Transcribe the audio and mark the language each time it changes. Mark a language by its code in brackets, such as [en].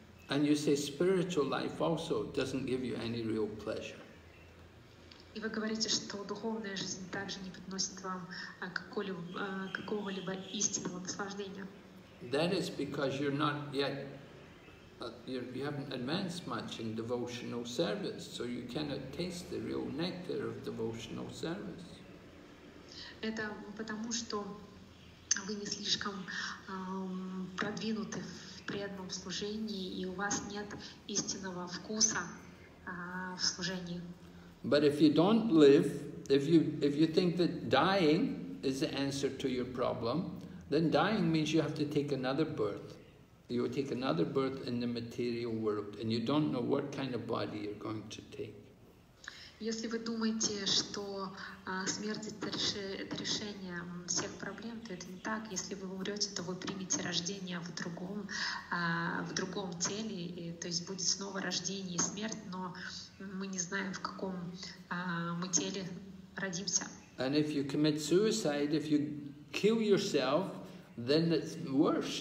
[en] And you say spiritual life also doesn't give you any real pleasure. [ru] И вы говорите, что духовная жизнь также не приносит вам какого-либо истинного наслаждения. [en] That is because you're not yet, you haven't advanced much in devotional service, so you cannot taste the real nectar of devotional service. [ru] Это потому, что вы не слишком продвинуты в преданном служении, и у вас нет истинного вкуса в служении. [en] But if you don't live, if you think that dying is the answer to your problem, then dying means you have to take another birth. You will take another birth in the material world, and you don't know what kind of body you're going to take. [ru] Если вы думаете, что смерть это решение всех проблем, то это не так. Если вы умрете, то вы примете рождение в другом теле, и, то есть будет снова рождение и смерть, но мы не знаем, в каком мы теле родимся. [en] And if you commit suicide, if you kill yourself, then it's worse.